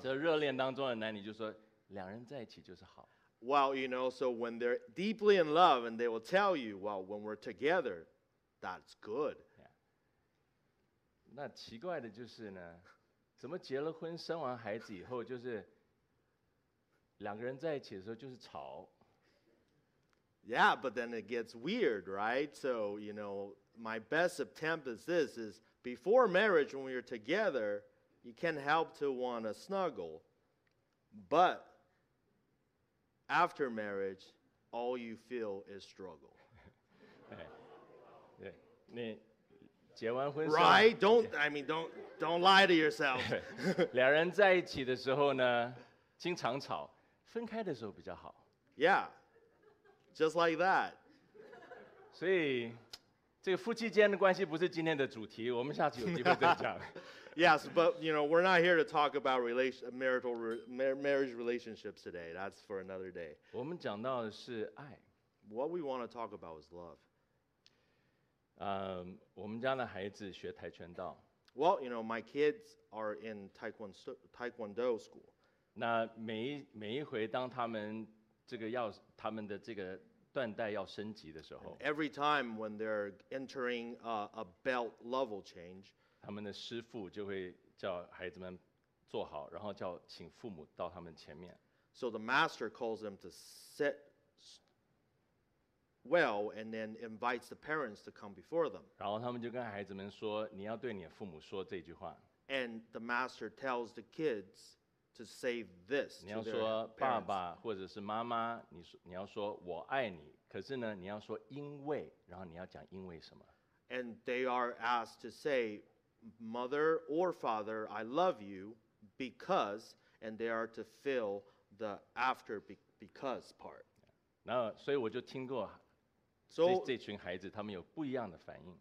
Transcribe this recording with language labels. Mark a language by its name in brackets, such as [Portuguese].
[Chinese] 这热恋当中的男女就说，两人在一起就是好。 [English] Well, you know, so when they're deeply in love and they will tell you, well, when we're together, that's good. Yeah. [Chinese] 那奇怪的就是呢，怎么结了婚生完孩子以后就是两个人在一起的时候就是吵。 [English] Yeah, but then it gets weird, right? So, you know, my best attempt is this, is before marriage, when we're together, you can't help to want to snuggle, but after marriage, all you feel is struggle. [Chinese] 对，你结完婚 [English] ，right? Don't lie to yourself. [Chinese] 两人在一起的时候呢，经常吵；分开的时候比较好。 [English] Yeah, just like that. [Chinese] 所以，这个夫妻间的关系不是今天的主题，我们下次有机会再讲。 [English] Yes, but you know, we're not here to talk about marriage relationships today. That's for another day. [Chinese] 我们讲到的是爱。 [English] What we want to talk about is love. [Chinese] 我们家的孩子学跆拳道。 [English] Well, you know, my kids are in Taekwondo school. [Chinese] 那每一回当他们这个要他们的这个断带要升级的时候 [English] and ，Every time when they're entering a belt level change. [Chinese] 他们的师父就会叫孩子们坐好，然后叫请父母到他们前面。 [English] So the master calls them to sit well, and then invites the parents to come before them. [Chinese] 然后他们就跟孩子们说，你要对你父母说这句话。 [English] And the master tells the kids to say this. [Chinese] 你要说爸爸或者是妈妈，你要说我爱你。可是呢，你要说因为，然后你要讲因为什么。 [English] And they are asked to say, Mother or father, I love you because, and they are to feel the after because part. [Chinese] 那所以我就听过这群孩子他们有不一样的反应。